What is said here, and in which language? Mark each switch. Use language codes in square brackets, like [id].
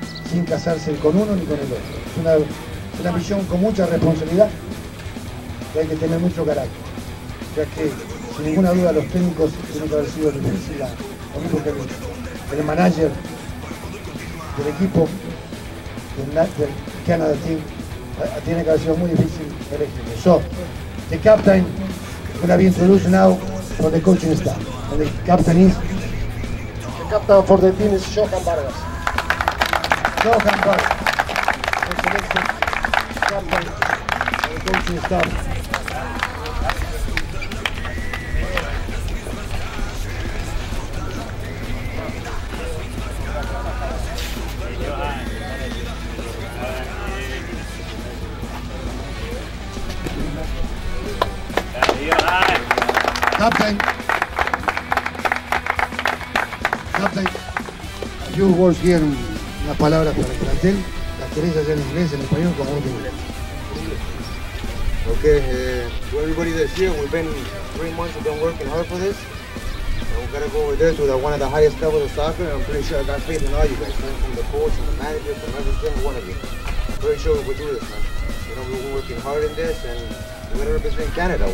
[es] Sin casarse con uno ni con el otro. Es una misión con mucha responsabilidad y hay que tener mucho carácter. Ya que, sin ninguna duda, los técnicos tienen que haber sido el único que el manager del equipo del Canada Team tiene que haber sido muy difícil elegirlo. [en] So, the captain is going to be introduced now for the coaching staff. And the captain for the team is Johan Vargas. Johan Vargas, the selected captain for the coaching staff. Captain. Captain, you work here in [es] La Palabra para el plantel. La querés hacer en inglés, en español, como vos quieras. [en] Okay, everybody that's here, we've been 3 months, we've been working hard for this. And we've got to go over there to one of the highest levels of soccer, and I'm pretty sure I got faith in all you guys, man, from the coach, from the manager, from every single one of you. I'm pretty sure we'll do this, man. You know, we're working hard in this, and we're going to represent Canada.